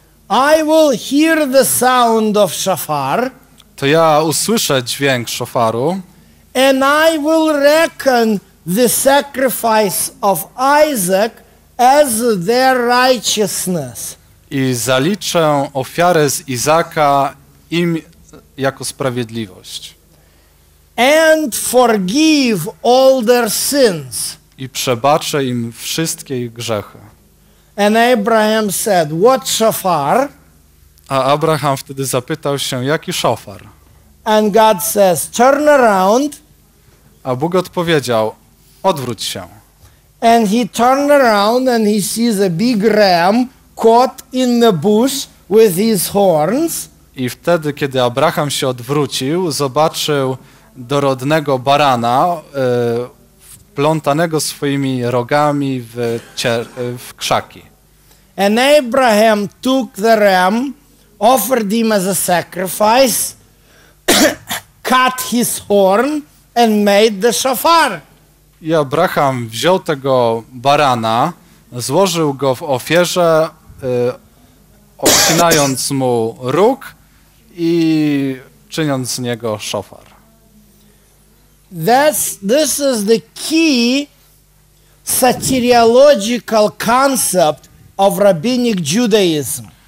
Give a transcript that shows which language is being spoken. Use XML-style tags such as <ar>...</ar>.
<en>I will hear the sound of shofar,</en> <pl>to ja usłyszę dźwięk szofaru,</pl> <en>and I will reckon the sacrifice of Isaac as their righteousness.</en> <pl>I zaliczę ofiarę z Izaka im jako sprawiedliwość.</pl> <en>And forgive all their sins.</en> <pl>I przebaczę im wszystkie ich grzechy.</pl> <en>And Abraham said, what shofar?</en> <pl>A Abraham wtedy zapytał się, jaki szofar?</pl> <en>And God says, turn around.</en> <pl>A Bóg odpowiedział, odwróć się.</pl> <en>And he turned around and he sees a big ram caught in the bush with his horns.</en> <pl>I wtedy, kiedy Abraham się odwrócił, zobaczył dorodnego barana wplątanego swoimi rogami w krzaki.</pl> <en>And Abraham took the ram, offered him as a sacrifice, cut his horn and made the shofar.</en> <pl>I Abraham wziął tego barana, złożył go w ofierze, obcinając mu róg i czyniąc z niego szofar.</pl> <en>This is the key soteriological concept of rabbinic Judaism.</en>